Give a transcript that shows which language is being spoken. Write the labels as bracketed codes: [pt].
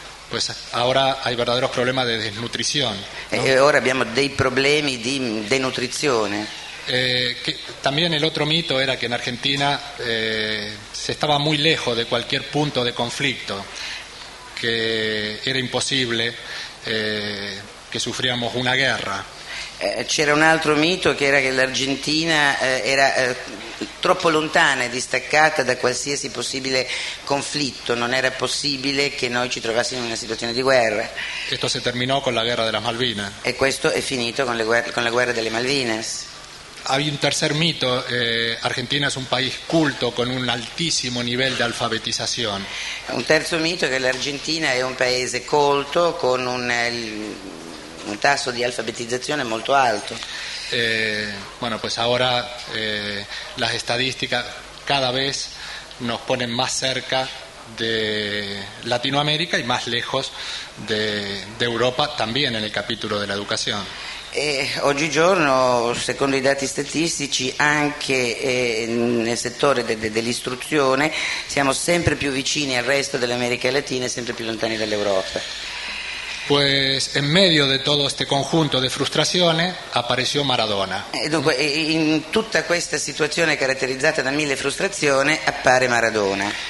[es] Pues ahora hay verdaderos problemas de desnutrición. [it] Ora abbiamo dei problemi di denutrizione. [es] También el otro mito era que en Argentina se estaba muy lejos de cualquier punto de conflicto, que era imposible que sufriéramos una guerra. [it] C'era un altro mito che era che l'Argentina era troppo lontana e distaccata da qualsiasi possibile conflitto, non era possibile che noi ci trovassimo in una situazione di guerra. [es] Esto se terminó con la guerra de las Malvinas. [it] E questo è finito con la guerra delle Malvinas. [es] Hay un tercer mito, Argentina es un país culto con un altísimo nivel de alfabetización. [it] Un terzo mito è che l'Argentina è un paese colto con un tasso di alfabetizzazione molto alto. [es] Bueno, pues ahora las estadísticas cada vez nos ponen más cerca de Latinoamérica y más lejos de Europa también en el capítulo de la educación. [it] E oggigiorno, secondo i dati statistici, anche nel settore dell'istruzione siamo sempre più vicini al resto dell'America Latina e sempre più lontani dall'Europa. [es] Pues en medio de todo este conjunto de frustraciones apareció Maradona. [it] E dunque, in tutta questa situazione caratterizzata da mille frustrazioni appare Maradona.